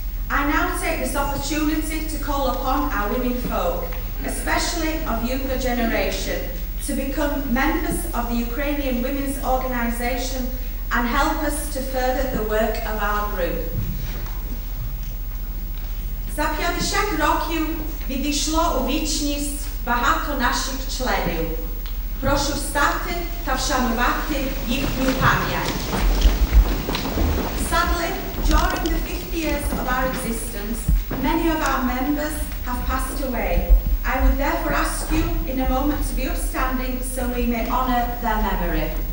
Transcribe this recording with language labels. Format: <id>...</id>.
<en>I now take this opportunity to call upon our women folk, especially of younger generation, to become members of the Ukrainian Women's Organization and help us to further the work of our group.</en> <uk>За 50 років відійшло у вічність багато наших членів. Прошу встати та вшанувати їхню пам'ять.</uk> <en>Sadly, during the 50 years of our existence, many of our members have passed away. I would therefore ask you in a moment to be upstanding so we may honor their memory.</en>